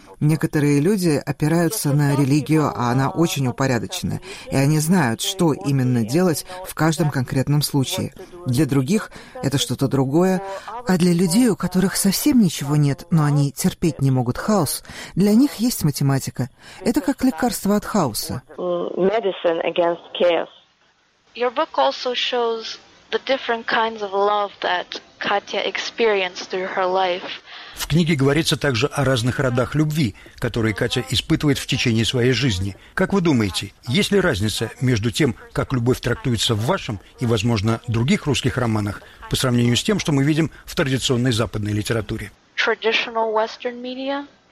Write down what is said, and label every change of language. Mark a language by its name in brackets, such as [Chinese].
[Russian] Некоторые люди опираются на религию, а она очень упорядочена, и они знают, что именно делать в каждом конкретном случае. Для других это что-то другое, а для людей, у которых совсем ничего нет, но они терпеть не могут хаос, для них есть математика. Это как лекарство от хаоса. [English] Your book also shows the different kinds of love that Katya experienced through her life. [Russian] В книге говорится также о разных родах любви, которые Катя испытывает в течение своей жизни. Как вы думаете, есть ли разница между тем, как любовь трактуется в вашем и, возможно, других русских романах, по сравнению с тем, что мы видим в традиционной западной литературе? [English] Traditional Western media?